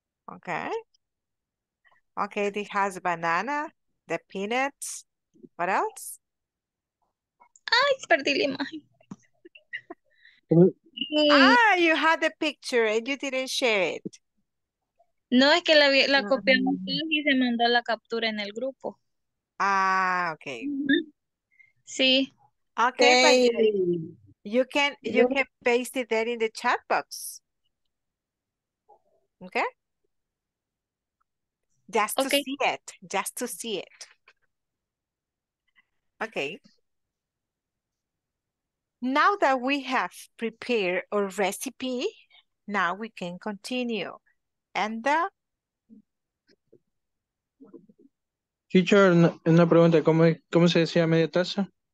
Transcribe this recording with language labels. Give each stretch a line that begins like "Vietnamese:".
English: Okay. Okay, it has banana, the peanuts. What else?
Spanish: Ay, perdí la imagen.
English: Ah, you had the picture and you didn't share it.
Spanish: No, es que la copiamos y se mandó la captura en el grupo.
English: Ah, okay.
Spanish: Sí.
English: Okay. You can paste it there in the chat box. Okay? Just to see it. Okay. Now that we have prepared our recipe, now we can continue. And
Spanish: teacher, una pregunta, ¿cómo se decía media taza?